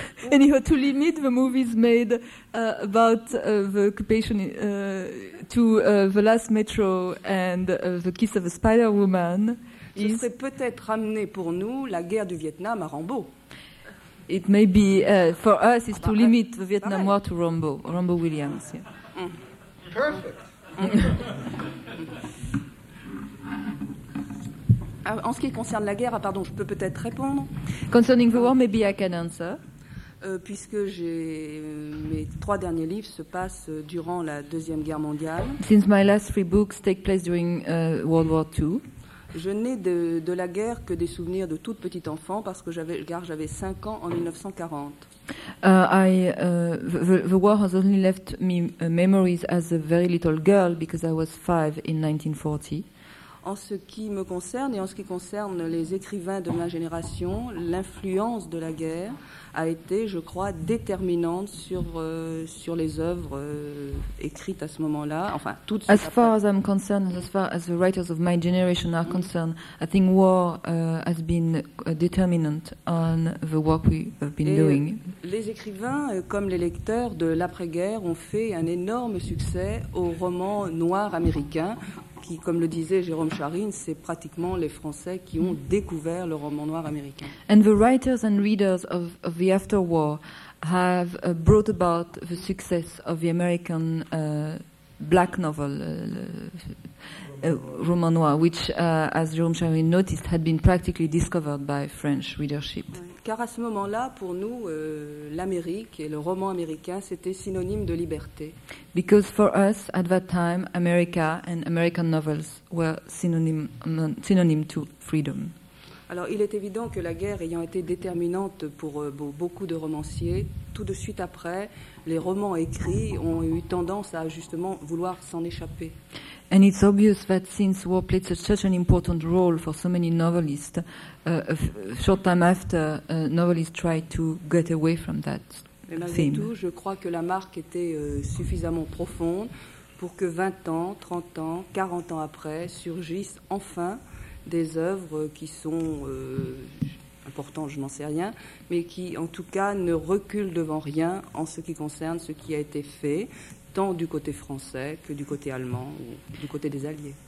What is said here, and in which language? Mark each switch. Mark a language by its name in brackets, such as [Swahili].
[English] Anyhow, to limit the movies made about the occupation to the last metro and the kiss of a spider woman... [French] Ce serait peut-être ramener pour nous la guerre du Vietnam à Rambo. [English] It may be for us is to limit the Vietnam War to Rambo, Rambo Williams. Yeah. Perfect. [French] En ce qui concerne la guerre, pardon, je peux peut-être répondre. [English] Concerning the war, maybe I can answer. [French] Puisque mes trois derniers livres se passent durant la Deuxième Guerre mondiale. [English] Since my last three books take place during World War II. [French] Je n'ai de la guerre que des souvenirs de toute petite enfant parce que j'avais 5 ans en 1940. [English] The war has only left me memories as a very little girl because I was 5 in 1940. [French] En ce qui me concerne et en ce qui concerne les écrivains de ma génération, l'influence de la guerre a été, je crois, déterminante sur les œuvres écrites à ce moment-là, enfin toutes. [English] As far as I'm concerned, as far as the writers of my generation are concerned, I think war has been determinant on the work we have been doing. [French] Les écrivains, comme les lecteurs de l'après-guerre, ont fait un énorme succès aux romans noirs américains. Qui, comme le disait Jérôme Charyn, c'est pratiquement les Français qui ont découvert le roman noir américain. [English] And the writers and readers of the afterwar have brought about the success of the American black novel, roman noir, which, as Jérôme Charyn noticed, had been practically discovered by French readership. [French] Car à ce moment-là, pour nous, l'Amérique et le roman américain, c'était synonyme de liberté. [English] Because for us, at that time, America and American novels were synonyme to freedom. [French] Alors, il est évident que la guerre ayant été déterminante pour beaucoup de romanciers, tout de suite après, les romans écrits ont eu tendance à justement vouloir s'en échapper. [English] And it's obvious that since war played such an important role for so many novelists, short time after, novelists tried to get away from that theme. [French] Mais malgré tout, je crois que la marque était suffisamment profonde pour que 20 ans, 30 ans, 40 ans après, surgissent enfin des œuvres qui sont importantes, je n'en sais rien, mais qui, en tout cas, ne reculent devant rien en ce qui concerne ce qui a été fait, tant du côté français que du côté allemand ou du côté des alliés.